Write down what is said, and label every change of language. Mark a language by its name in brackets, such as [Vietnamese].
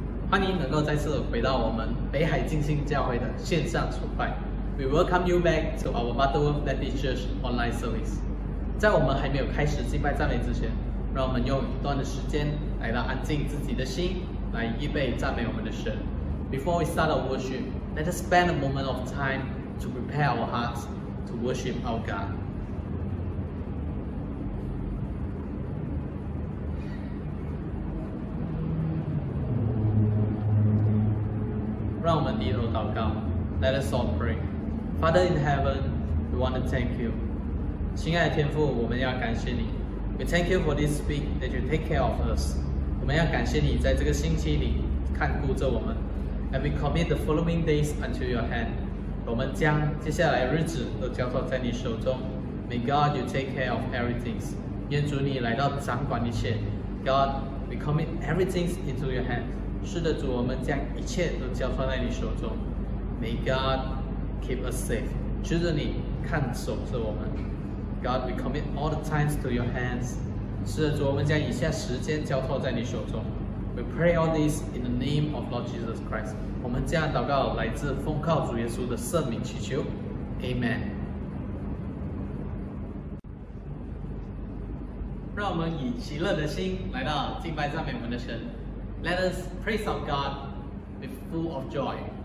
[Chinese] 欢迎能够再次回到我们北海浸信教会的线上崇拜。 [English] We welcome you back to our Butterworth Baptist Church online service。 [Chinese] 在我们还没有开始敬拜赞美之前，让我们用一段的时间来到安静自己的心，来预备赞美我们的神。 [English] Before we start our worship, let us spend a moment of time to prepare our hearts to worship our God. [Chinese] 让我们低头祷告 [English] ，Let us all pray. Father in heaven, we want to thank you. [Chinese] 亲爱的天父，我们要感谢你。 [English] We thank you for this week that you take care of us. [Chinese] 我们要感谢你在这个星期里看顾着我们。 [English] And we commit the following days unto your hand. [Chinese] 我们将接下来日子都交托在你手中。 [English] May God you take care of everything. [Chinese] 愿主你来到掌管一切。 [English] God, we commit everything into your hand. [Chinese] 是的，主，我们将一切都交托在你手中。 [English] May God keep us safe. [Chinese] 求着你看守着我们。 [English] God, we commit all the times to your hands. [Chinese] 是的，主，我们将以下时间交托在你手中。 [English] We pray all this in the name of Lord Jesus Christ. [Chinese] 我们这样祷告来自奉靠主耶稣的圣名祈求。 [English] Amen. [Chinese] 让我们以喜乐的心来到敬拜赞美我们的神。 [English] Let us praise our God with full of joy.